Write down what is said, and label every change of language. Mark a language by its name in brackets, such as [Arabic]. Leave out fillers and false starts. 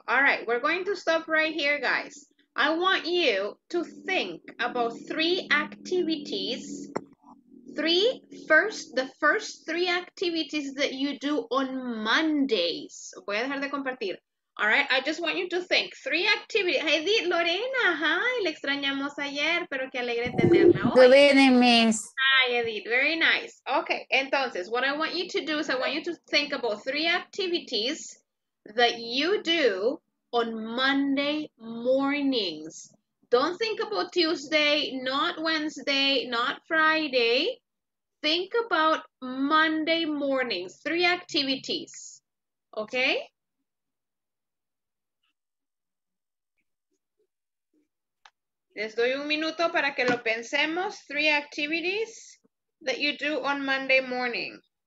[English] All right, we're going to stop right here, guys. I want you to think about three activities, the first three activities that you do on Mondays. [Spanish] Voy a dejar de compartir. [English] All right, I just want you to think. Three activities. Heidi, Lorena, hi. [Spanish] Le extrañamos ayer, pero qué alegre tenerla hoy. [English] Good evening, miss. Hi, Edith. Very nice. Okay, entonces, what I want you to do is I want you to think about three activities that you do on Monday mornings. Don't think about Tuesday, not Wednesday, not Friday. Think about Monday mornings. Three activities. Okay? [Spanish] Les doy un minuto para que lo pensemos. [English] Three activities that you do on Monday morning.